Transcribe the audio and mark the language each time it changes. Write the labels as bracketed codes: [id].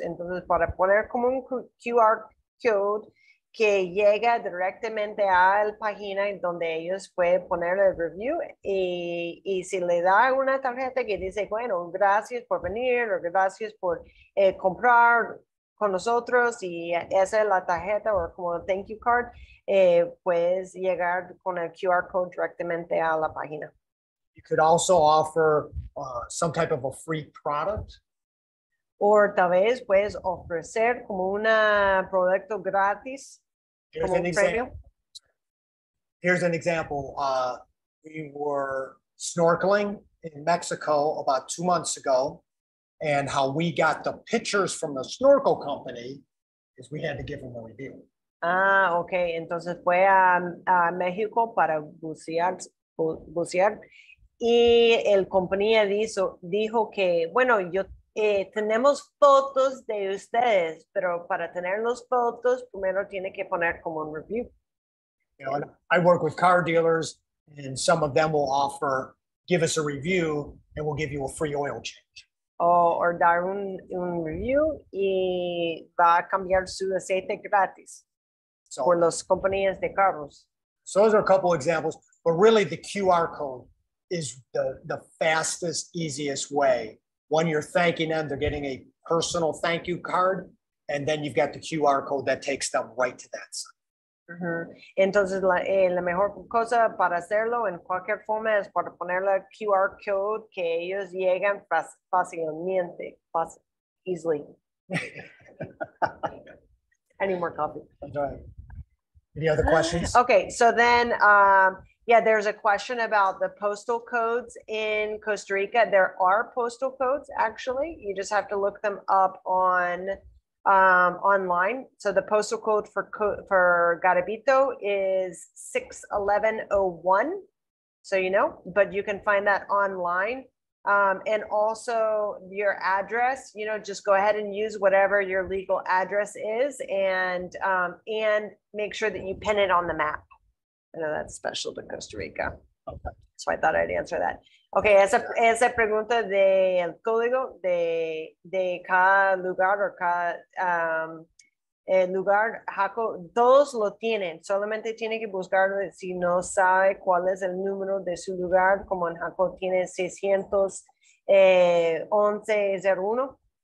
[es] Entonces, para poner como un QR code que llega directamente a la página donde ellos pueden poner el review y si le da una tarjeta que dice, bueno, gracias por venir o gracias por comprar con nosotros y esa es la tarjeta o como thank you card, puedes llegar con el QR code directamente a la página. [en] You could also offer some type of a free product. [es] O tal vez puedes ofrecer como un producto gratis. [en] Here's an example. We were snorkeling in Mexico about 2 months ago, and how we got the pictures from the snorkel company is we had to give them a review. [es] Ah, okay. Entonces fue a México para bucear. Y el compañía dijo que, bueno, tenemos fotos de ustedes, pero para tener las fotos, primero tiene que poner como un review. [en] You know, and I work with car dealers, and some of them will offer, give us a review, and we'll give you a free oil change. [es] Or dar un review y va a cambiar su aceite gratis. So, por las compañías de carros. [en] So those are a couple of examples, but really the QR code is the fastest, easiest way. When you're thanking them, they're getting a personal thank you card, and then you've got the QR code that takes them right to that site. Uh-huh. [es] Entonces, la mejor cosa para hacerlo en cualquier forma es para ponerle QR code que ellos llegan fácilmente. [en] easily. I need more coffee. Any other questions? Okay, so then, yeah, there's a question about the postal codes in Costa Rica. There are postal codes, actually. You just have to look them up on online. So the postal code for Garabito is 61101. So, you know, but you can find that online. And also your address, you know, just go ahead and use whatever your legal address is and make sure that you pin it on the map. I know that's special to Costa Rica. Okay. So I thought I'd answer that. Okay. [es] Esa pregunta de el código de cada lugar o cada lugar, Jaco, todos lo tienen. Solamente tiene que buscar si no sabe cuál es el número de su lugar, como en Jaco tiene 611-01.